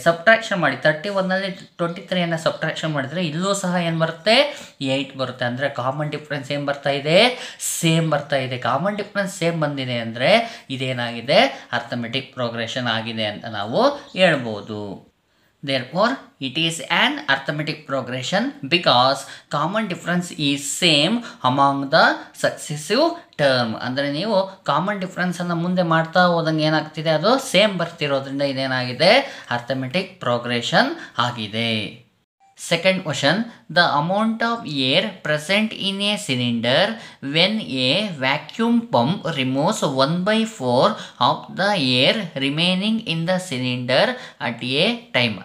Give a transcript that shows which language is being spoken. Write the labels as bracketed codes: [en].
[kn] Subtraction ಮಾಡಿ 31 23 subtraction ಮಾಡಿದರೆ ಇಲ್ಲೂ ಸಹ ಏನು ಬರುತ್ತೆ, 8 ಬರುತ್ತೆ. ಅಂದರೆ ಕಾಮನ್ ಡಿಫ್ರೆನ್ಸ್ ಏನು ಬರ್ತಾ ಇದೆ, ಸೇಮ್ ಬರ್ತಾ ಇದೆ. ಕಾಮನ್ ಡಿಫ್ರೆನ್ಸ್ ಸೇಮ್ ಬಂದಿದೆ ಅಂದರೆ ಇದೇನಾಗಿದೆ, ಅರ್ಥಮೆಟಿಕ್ ಪ್ರೋಗ್ರೆಷನ್ ಆಗಿದೆ ಅಂತ ನಾವು ಹೇಳ್ಬೋದು. [en] Therefore, it is an arithmetic progression because common difference is same among the successive term. [kn] ಅಂದರೆ ನೀವು ಕಾಮನ್ ಡಿಫ್ರೆನ್ಸನ್ನು ಮುಂದೆ ಮಾಡ್ತಾ ಹೋದಂಗೆ ಏನಾಗ್ತಿದೆ, ಅದು ಸೇಮ್ ಬರ್ತಿರೋದ್ರಿಂದ ಇದೇನಾಗಿದೆ, ಅರ್ಥಮೆಟಿಕ್ ಪ್ರೋಗ್ರೆಷನ್ ಆಗಿದೆ. [en] Second question, the amount of air present in a cylinder when a vacuum pump removes 1/4 of the air remaining in the cylinder at a time.